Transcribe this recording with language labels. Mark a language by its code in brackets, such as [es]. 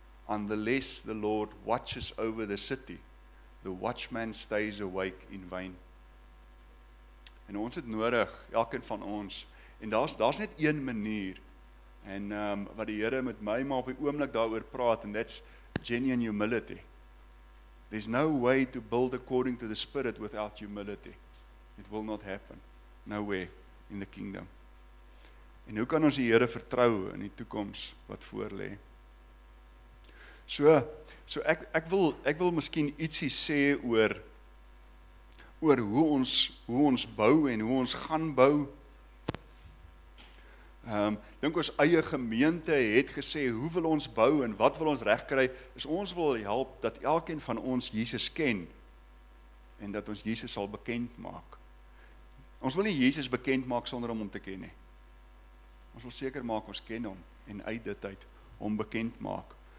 [en] Unless the Lord watches over the city, the watchman stays awake in vain. [af] En ons het nodig, elkeen van ons, en daar's net een manier, en wat die Here met my maar op die oomblik daaroor praat, en [en] that's genuine humility. There's no way to build according to the Spirit without humility. It will not happen. Nowhere in the kingdom. [af] En hoe kan ons die Here vertrou in die toekoms wat voorlê? So ek wil miskien ietsie sê oor hoe ons bou en hoe ons gaan bou. Dink ons eie gemeente het gesê, hoe wil ons bou en wat wil ons regkry, is ons wil help dat elkeen van ons Jesus ken en dat ons Jesus sal bekend maak. Ons wil nie Jesus bekend maak sonder om hom te ken nie. Ons wil seker maak ons ken hom en uit dit uit hom bekend maak.